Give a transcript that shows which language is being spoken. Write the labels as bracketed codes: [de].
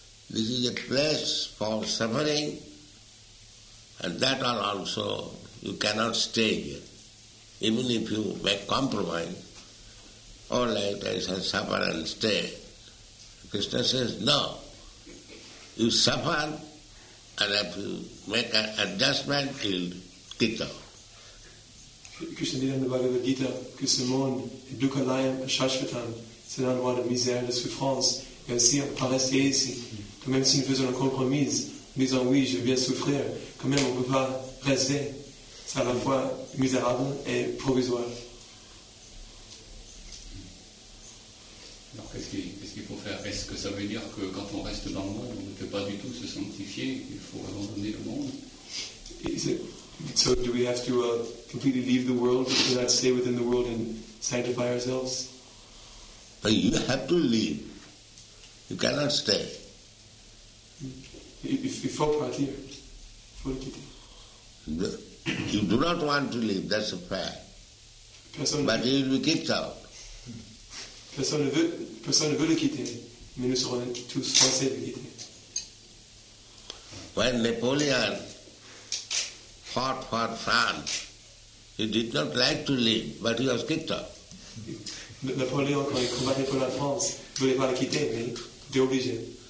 [en] This is a place for suffering, and that are also, you cannot stay here. Even if you make compromise, all right, I shall suffer and stay. Krishna says, no. You suffer, and if you make an adjustment, you'll get out. [fr] Krishna dit dans le Bhagavad Gita que ce monde est [sa] dukkhalayam shashvatam, [fr] c'est un endroit de misère, de souffrance, et aussi on ne peut pas rester ici. Donc même si nous faisons un compromis, disant oui, je viens souffrir, quand même on ne peut pas rester. C'est à la fois misérable et provisoire. Alors qu'est-ce qu'il faut faire? Est-ce que ça veut dire que quand on reste dans le monde, on ne peut pas du tout se sanctifier? Il faut abandonner le monde? [en] So do we have to completely leave the world? Do not stay within the world and sanctify ourselves? But you have to leave. You cannot stay. [fr] Il faut partir. Il faut le quitter. [en] You do not want to leave, that's a fact. But you will be kicked out. [fr] Personne ne veut le quitter, mais nous serons tous forcés de quitter. [en] When Napoleon fought for France, He did not like to leave, but he was kicked out. [fr] Napoléon, quand il combattait pour la France, ne voulait pas la quitter, mais il était obligé.